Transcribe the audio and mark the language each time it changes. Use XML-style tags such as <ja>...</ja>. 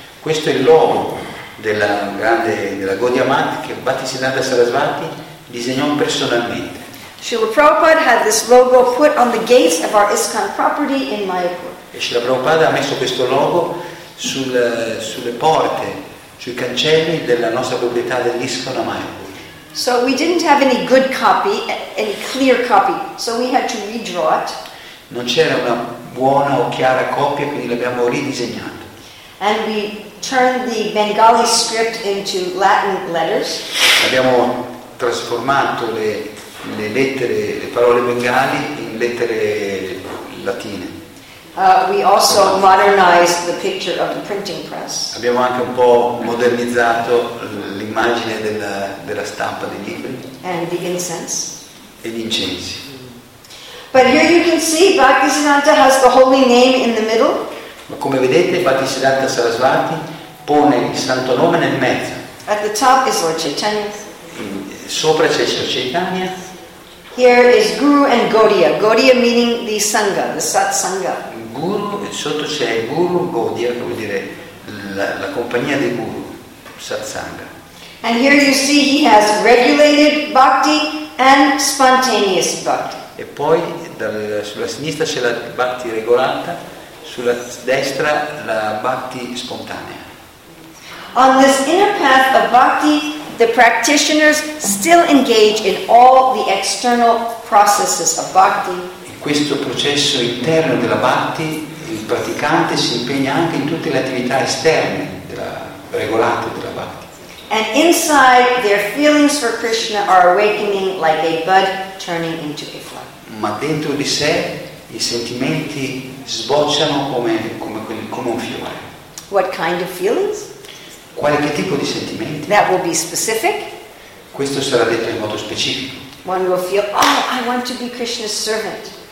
<it>Questo è il logo della grande della Gaudiamat che Bhaktisiddhanta Sarasvati disegnò personalmente.</it> <en>Srila Prabhupada had this logo put on the gates of our ISKCON property in Mayapur.</en> <it>E Srila Prabhupada ha messo questo logo sulle porte, sui cancelli della nostra proprietà dell'ISKCON a Mayapur.</it> <en>So we didn't have any good copy, any clear copy, so we had to redraw it.</en> <it>Non c'era una buona o chiara copia, quindi l'abbiamo ridisegnato.</it> <en>And we turned the Bengali script into Latin letters.</en> <it>Abbiamo trasformato le lettere, le parole bengali in lettere latine.</it> <en>We also modernized the picture of the printing press.</en> <it>Abbiamo anche un po' modernizzato l'immagine della stampa dei libri.</it> <en>And the incense.</en> <it>E gli incensi.</it> <en>But here you can see Bhaktisiddhanta has the holy name in the middle.</en> <it>Ma come vedete Bhaktisiddhanta Sarasvati pone il santo nome nel mezzo.</it> <en>At the top is Lord Chaitanya.</en> <it>Sopra c'è Lord Chaitanya.</it> <en>Here is Guru and Gaudiya. Gaudiya meaning the Sangha, the Satsangha.</en> <it>Guru, sotto c'è Guru, Gaudiya, che vuol dire la compagnia dei Guru, Satsangha.</it> <en>And here you see he has regulated bhakti and spontaneous bhakti.</en> <it>E poi sulla sinistra c'è la bhakti regolata, sulla destra la bhakti spontanea.</it> <en>On this inner path of bhakti, the practitioners still engage in all the external processes of bhakti.</en> <it>In questo processo interno della bhakti, il praticante si impegna anche in tutte le attività esterne regolate della bhakti.</it> <en>And inside, their feelings for Krishna are awakening like a bud turning into a flower.</en> <it>Ma dentro di sé i sentimenti sbocciano come un fiore.</it> <en>What kind of feelings?</en> <it>Qualche tipo di sentimenti?</it> <en>That will be specific.</en> <it>Questo sarà detto in modo specifico.</it> <en>One will feel, oh, I want to be Krishna's servant.</en>